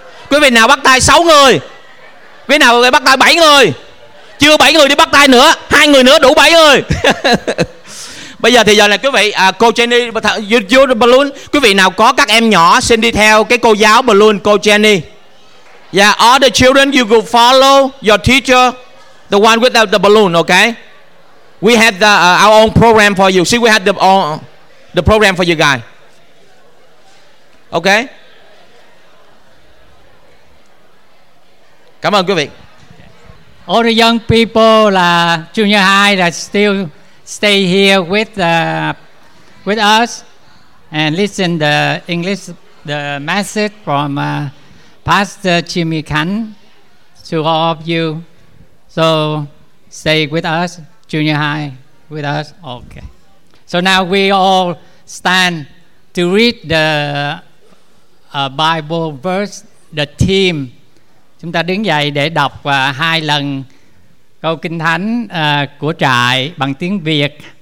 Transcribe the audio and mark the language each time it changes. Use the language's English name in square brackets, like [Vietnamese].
[Vietnamese] Quý vị nào bắt tay 6 người? Quý vị nào bắt tay 7 người? Chưa 7 người đi bắt tay nữa. 2 người nữa đủ 7 người. Bây giờ thì giờ là quý vị, cô Jenny, balloon. Quý vị nào có các em nhỏ xin đi theo cái cô giáo balloon, cô Jenny. [English] Yeah, all the children you could follow your teacher, the one without the balloon, okay? We have the our own program for you. See, we have the program for you guys. Okay? [Vietnamese] Cảm ơn quý vị. [English] Oregon people là junior high that still stay here with us and listen the English the message from Pastor Jimmy Khan to all of you. So stay with us, junior high with us. Okay. So now we all stand to read the Bible verse, the theme. [Vietnamese] Chúng ta đứng dậy để đọc hai lần câu kinh thánh của trại bằng tiếng Việt.